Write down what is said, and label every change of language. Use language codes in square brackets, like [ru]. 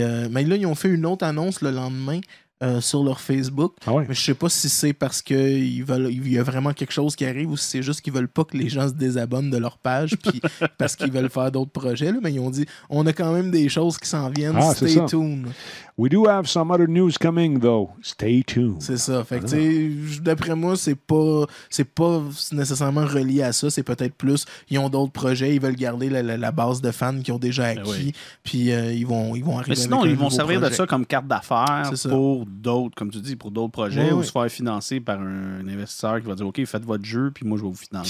[fr] Mais là, ils ont fait une autre annonce le lendemain sur leur Facebook. Ah ouais. Mais je sais pas si c'est parce qu'il y a vraiment quelque chose qui arrive ou si c'est juste qu'ils veulent pas que les gens se désabonnent de leur page parce qu'ils veulent faire d'autres projets. Là. Mais ils ont dit, on a quand même des choses qui s'en viennent. Ah, [en] stay tuned. We do have some other news coming, though. Stay tuned. [fr] C'est ça. Fait que, d'après moi, c'est pas nécessairement relié à ça. C'est peut-être plus, ils ont d'autres projets, ils veulent garder la base de fans qu'ils ont déjà acquis. Puis ils vont arriver. Mais sinon, avec ils vont servir projet. De ça comme carte d'affaires pour d'autres, comme tu dis, pour d'autres projets ou se faire financer par un investisseur qui va dire, OK, faites votre jeu, puis moi, je vais vous financer.